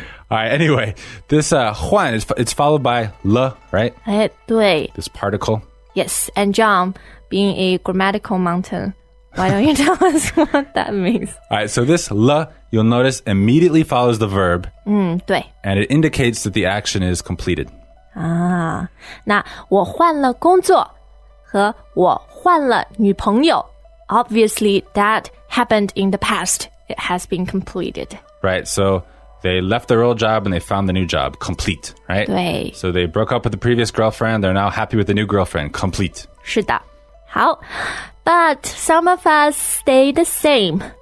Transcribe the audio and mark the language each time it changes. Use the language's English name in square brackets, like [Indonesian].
[English] All right, anyway, this 换, it's followed by 了, right? [Chinese] 哎，对。 [English] This particle. Yes, and John, being a grammatical mountain, why don't you tell us what that means? All right, so this 了, you'll notice, immediately follows the verb. [Chinese] 对。 [English] And it indicates that the action is completed. [Chinese] 啊，那我换了工作和我换了女朋友。 [English] Obviously, that happened in the past. It has been completed. Right, so they left their old job and they found the new job. Complete, right? [Chinese] 对。 [English] So they broke up with the previous girlfriend. They're now happy with the new girlfriend. Complete. [Chinese] 是的。好。 [English] But some of us stay the same.